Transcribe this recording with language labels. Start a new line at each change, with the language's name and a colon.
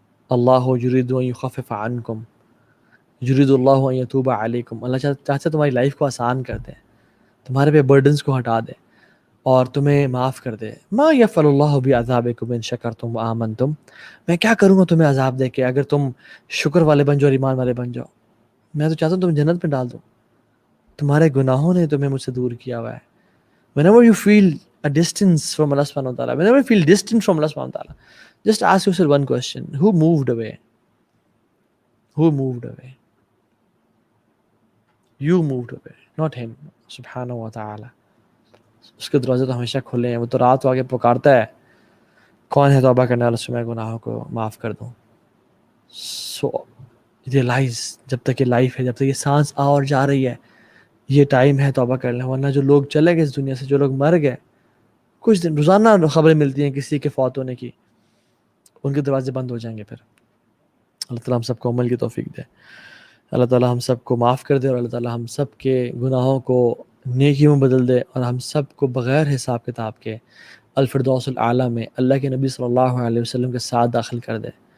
Arabic: اللہ یرید ان یخفف عنکم, یرید اللہ ان یتوب علیکم,
Urdu: اللہ چاہتا ہے تمہاری لائف کو آسان کر دے, تمہارے پہ برڈنز کو ہٹا دے اور تمہیں معاف کر دے.
Arabic: ما یفعل اللہ بعذابکم ان شکرتم وآمنتم,
Urdu: میں کیا کروں گا تمہیں عذاب دے کے اگر تم شکر والے بن جاؤ اور ایمان والے بن جاؤ. میں تو چاہتا ہوں تمہیں جنت میں ڈال دوں, تمہارے گناہوں نے تمہیں مجھ سے دور کیا ہوا ہے.
English: Whenever you feel a distance from Allah subhanahu wa ta'ala, whenever you feel distant from Allah subhanahu wa ta'ala, just ask yourself one question, who moved away? Who moved away? You moved away, not him, subhanahu wa ta'ala.
Urdu: اس کے دروازے تو ہمیشہ کھلے ہیں, وہ تو رات آگے پکارتا ہے کون ہے توبہ کرنے والا, میں گناہوں کو معاف کر دوں.
English: so realize,
Urdu: جب تک یہ لائف ہے, جب تک یہ سانس آ اور جا رہی ہے, یہ ٹائم ہے توبہ کرنے, ورنہ جو لوگ چلے گئے اس دنیا سے, جو لوگ مر گئے, کچھ دن روزانہ خبریں ملتی ہیں کسی کے فوت ہونے کی, ان کے دروازے بند ہو جائیں گے. پھر اللہ تعالیٰ ہم سب کو عمل کی توفیق دے, اللہ تعالیٰ ہم سب کو معاف کر دے, اور اللہ تعالیٰ ہم سب کے گناہوں کو نیکی میں بدل دے, اور ہم سب کو بغیر حساب کتاب کے الفردوس العلیٰ میں اللہ کے نبی صلی اللہ علیہ وسلم کے ساتھ داخل کر دے.